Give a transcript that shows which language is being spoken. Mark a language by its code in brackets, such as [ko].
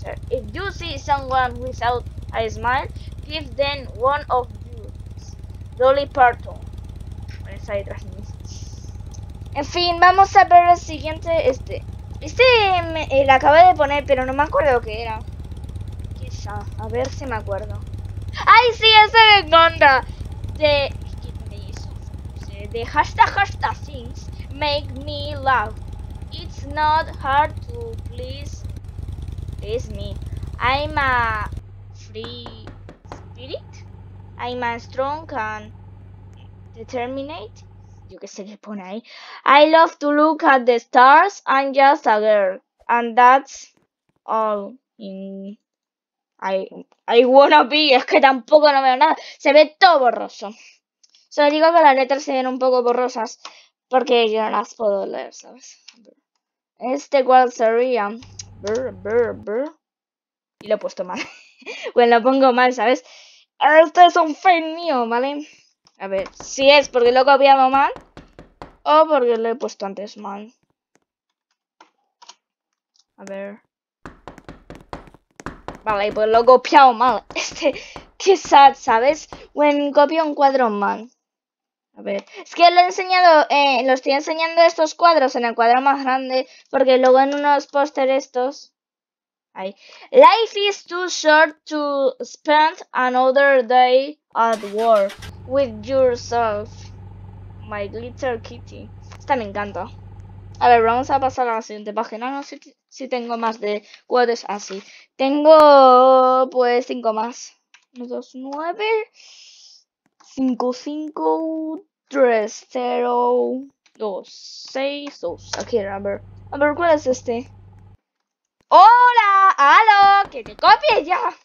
[en] If you see someone without a smile, give them one of yours. [es] Dolly Parton. Está detrás de mí. En fin, vamos a ver el siguiente. Este lo acabo de poner, pero no me acuerdo qué era. Quizá, a ver si me acuerdo. ¡Ay, sí! ¡Ese de Gonda! De... ¿Qué tiene eso? [en] De hashtag things make me laugh. It's not hard to please... Please me. I'm a free spirit. I'm a strong and determinate. [es] Yo qué sé qué pone ahí. [en] I love to look at the stars. I'm just a girl. And that's all in... I wanna be, [es] es que tampoco no veo nada. Se ve todo borroso. Solo digo que las letras se ven un poco borrosas porque yo no las puedo leer, ¿sabes? Este cual sería. Brr, brr, brr. Y lo he puesto mal. Bueno, lo pongo mal, ¿sabes? Este es un fake mío, ¿vale? A ver, si es porque lo he copiado mal o porque lo he puesto antes mal. A ver. Vale, pues lo he copiado mal. Qué sad, ¿sabes? [en] When [es] copio un cuadro mal. A ver, es que lo he enseñado, lo estoy enseñando estos cuadros en el cuadro más grande, porque luego en unos póster estos. Ahí. [en] Life is too short to spend another day at war with yourself, my little kitty. [es] Esta me encanta. A ver, vamos a pasar a la siguiente página. No sé si tengo más de cuadros así. Tengo, pues, cinco más. Uno, dos, nueve. Cinco, cinco, tres, cero, dos, seis, dos. Aquí, a ver. A ver, ¿cuál es este? ¡Hola! ¡Aló! ¡Que te copie ya!